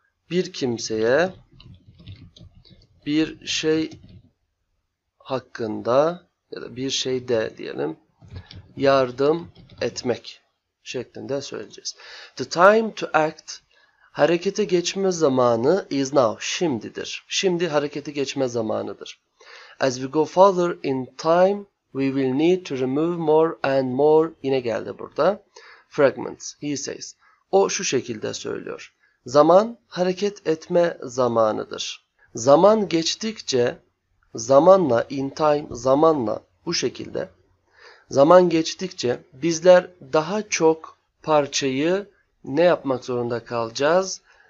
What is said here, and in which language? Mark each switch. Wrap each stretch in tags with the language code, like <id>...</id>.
<tr>Bir kimseye bir şey hakkında ya da bir şey de diyelim yardım etmek şeklinde söyleyeceğiz.</tr> <en>The time to act</en> <tr>harekete geçme zamanı</tr> <en>is now</en> <tr>şimdidir. Şimdi harekete geçme zamanıdır.</tr> <en>As we go further in time we will need to remove more and more</en> <tr>yine geldi burada.</tr> <en>Fragments he says.</en> <tr>O şu şekilde söylüyor. Zaman hareket etme zamanıdır. Zaman geçtikçe, zamanla, in time, zamanla bu şekilde, zaman geçtikçe bizler daha çok parçayı ne yapmak zorunda kalacağız?</tr>